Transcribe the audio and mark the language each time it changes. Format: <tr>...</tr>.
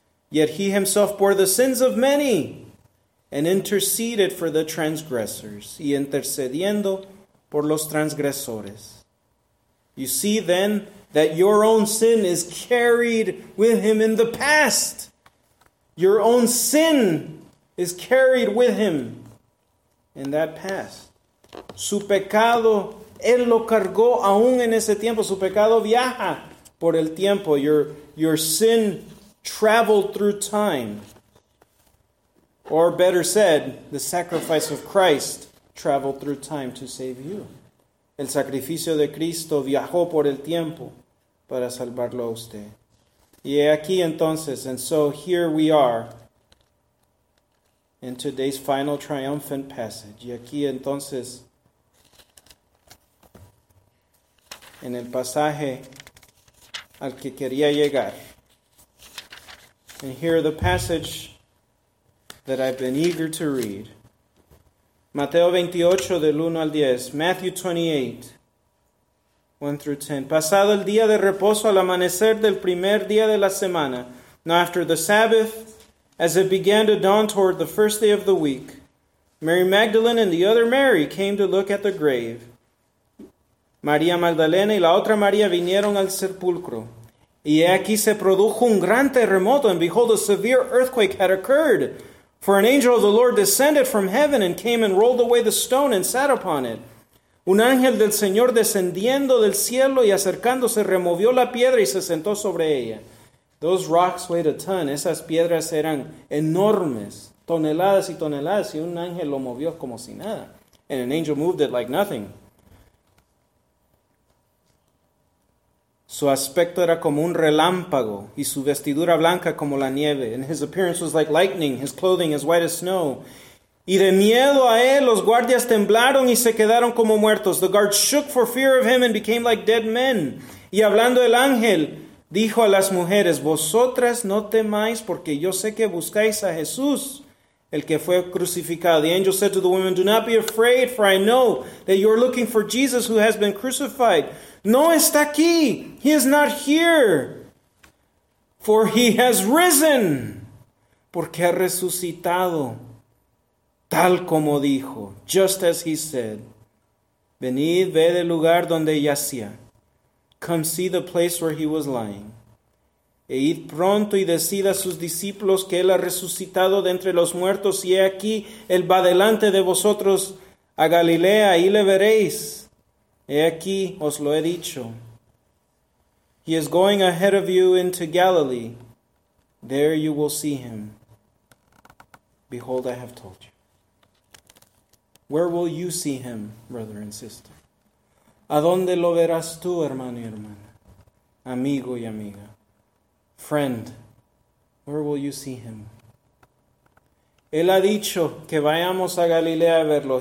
<en>Yet he himself bore the sins of many, and interceded for the transgressors,</en> <es>y intercediendo por los transgresores.</es> <en>You see then that your own sin is carried with him in the past. Your own sin is carried with him in that past.</en> <es>Su pecado, él lo cargó aún en ese tiempo. Su pecado viaja por el tiempo.</es> <en>Your sin traveled through time. Or better said, the sacrifice of Christ traveled through time to save you.</en> <es>El sacrificio de Cristo viajó por el tiempo para salvarlo a usted. Y aquí entonces,</es> <en>and so here we are in today's final triumphant passage.</en> <es>Y aquí entonces, en el pasaje al que quería llegar.</es> <en>And here the passage that I've been eager to read.</en> <es>Mateo 28, del 1 al 10.</es> <en>Matthew 28, 1 through 10.</en> <es>Pasado el día de reposo al amanecer del primer día de la semana.</es> <en>Now after the Sabbath, as it began to dawn toward the first day of the week, Mary Magdalene and the other Mary came to look at the grave.</en> <es>María Magdalena y la otra María vinieron al sepulcro. Y aquí se produjo un gran terremoto,</es> <en>and behold, a severe earthquake had occurred. For an angel of the Lord descended from heaven and came and rolled away the stone and sat upon it.</en> <es>Un ángel del Señor descendiendo del cielo y acercándose removió la piedra y se sentó sobre ella.</es> <en>Those rocks weighed a ton.</en> <es>Esas piedras eran enormes, toneladas y toneladas, y un ángel lo movió como si nada.</es> <en>And an angel moved it like nothing.</en> <es>Su aspecto era como un relámpago, y su vestidura blanca como la nieve.</es> <en>And his appearance was like lightning, his clothing as white as snow.</en> <es>Y de miedo a él, los guardias temblaron y se quedaron como muertos.</es> <en>The guards shook for fear of him and became like dead men.</en> <es>Y hablando el ángel, dijo a las mujeres, vosotras no temáis, porque yo sé que buscáis a Jesús, el que fue crucificado.</es> <en>The angel said to the women, do not be afraid, for I know that you are looking for Jesus who has been crucified.</en> <es>No está aquí.</es> <en>He is not here. For he has risen.</en> <es>Porque ha resucitado. Tal como dijo.</es> <en>Just as he said.</en> <es>Venid, ve del lugar donde yacía.</es> <en>Come see the place where he was lying.</en> <es>E id pronto y decid a sus discípulos que él ha resucitado de entre los muertos. Y he aquí, él va delante de vosotros a Galilea y le veréis. He aquí, os lo he dicho.</es> <en>He is going ahead of you into Galilee. There you will see him. Behold, I have told you. Where will you see him, brother and sister?</en> <es>¿A dónde lo verás tú, hermano y hermana? Amigo y amiga.</es> <en>Friend, where will you see him?</en> <es>Él ha dicho que vayamos a Galilea a verlo.</es>